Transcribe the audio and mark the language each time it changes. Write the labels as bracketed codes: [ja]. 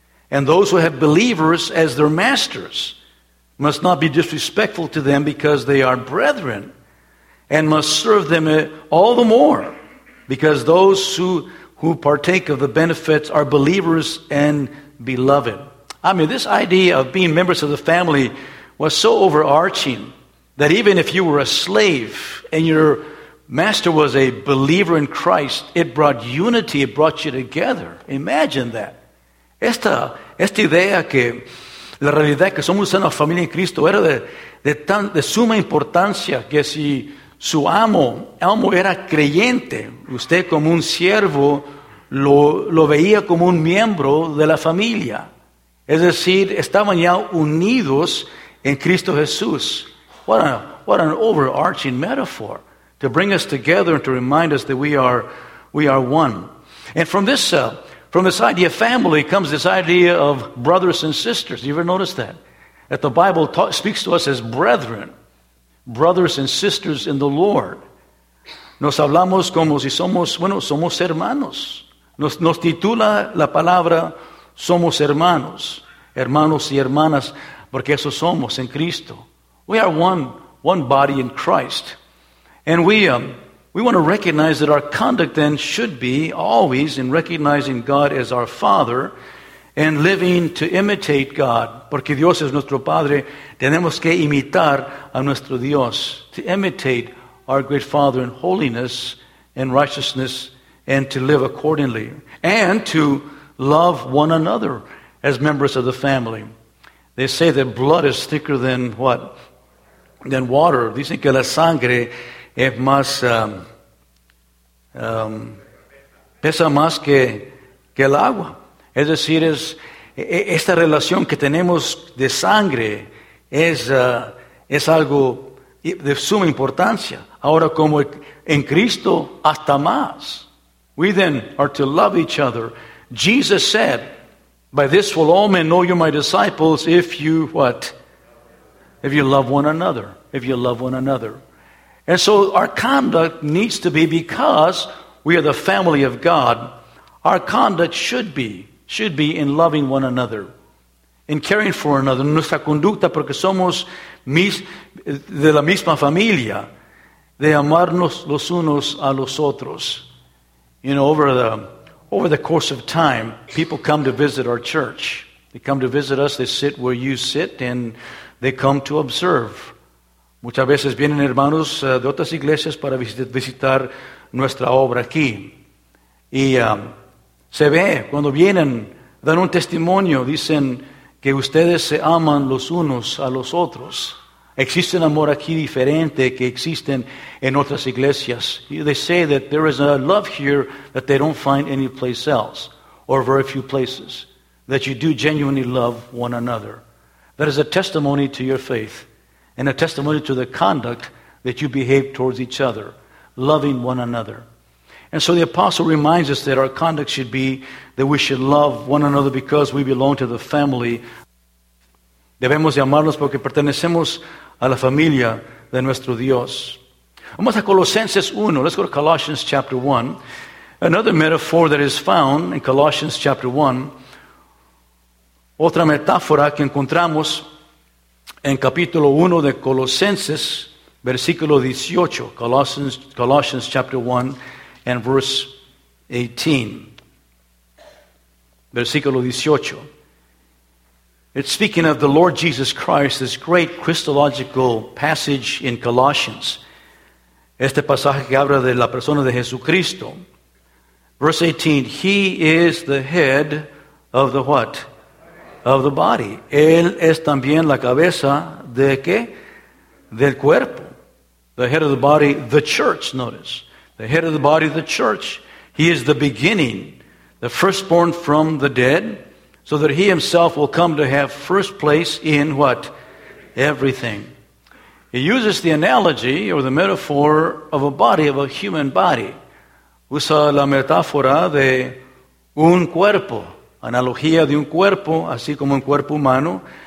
[en] And those who have believers as their masters must not be disrespectful to them because they are brethren, and must serve them all the more because those who partake of the benefits are believers and beloved. I mean, this idea of being members of the family was so overarching that even if you were a slave and your master was a believer in Christ, it brought unity, it brought you together. Imagine that. [es] Esta idea que la realidad que somos una familia en Cristo era de suma importancia, que si su amo era creyente, usted como un siervo lo veía como un miembro de la familia. Es decir, estaban ya unidos en Cristo Jesús. [en] What an overarching metaphor to bring us together and to remind us that we are one. And from this idea of family comes this idea of brothers and sisters. You ever notice that? That the Bible speaks to us as brethren, brothers and sisters in the Lord. [es] Nos hablamos como si somos hermanos. Nos titula la palabra, somos hermanos, hermanos y hermanas, porque eso somos en Cristo. [en] We are one body in Christ. And we want to recognize that our conduct then should be always in recognizing God as our Father and living to imitate God. [es] Porque Dios es nuestro Padre, tenemos que imitar a nuestro Dios, [en] to imitate our great Father in holiness and righteousness and to live accordingly. And to love one another as members of the family. They say that blood is thicker than what? Than water. [es] Dicen que la sangre es más, pesa más que el agua. Es decir, es esta relación que tenemos de sangre es algo de suma importancia. Ahora, como en Cristo, hasta más. [en] We then are to love each other. Jesus said, by this will all men know you're my disciples if you, what? If you love one another. If you love one another. And so our conduct needs to be, because we are the family of God, our conduct should be in loving one another, in caring for another. [es] Nuestra conducta, porque somos de la misma familia, de amarnos los unos a los otros. [en] You know, over the course of time, people come to visit our church. They come to visit us, they sit where you sit, and they come to observe. [es] Muchas veces vienen hermanos de otras iglesias para visitar nuestra obra aquí. Y se ve, cuando vienen, dan un testimonio, dicen que ustedes se aman los unos a los otros. Existe un amor aquí diferente que existe en otras iglesias. [en] They say that there is a love here that they don't find any place else, or very few places, that you do genuinely love one another. That is a testimony to your faith. And a testimony to the conduct that you behave towards each other, loving one another. And so the apostle reminds us that our conduct should be that we should love one another because we belong to the family. [es] Debemos de amarnos porque pertenecemos a la familia de nuestro Dios. Vamos a Colosenses 1. [en] Let's go to Colossians chapter 1. Another metaphor that is found in Colossians chapter 1. [es] Otra metáfora que encontramos en capítulo 1 de Colosenses, versículo 18. [en] Colossians chapter 1 and verse 18. [es] Versículo 18. [en] It's speaking of the Lord Jesus Christ, this great Christological passage in Colossians. [es] Este pasaje que habla de la persona de Jesucristo. [en] Verse 18, he is the head of the what? Of the body. [es] Él es también la cabeza de qué? Del cuerpo. [en] The head of the body, the church, notice. The head of the body, the church. He is the beginning, the firstborn from the dead, so that he himself will come to have first place in what? Everything. He uses the analogy or the metaphor of a body, of a human body. [es] Usa la metáfora de un cuerpo, analogía de un cuerpo, así como un cuerpo humano.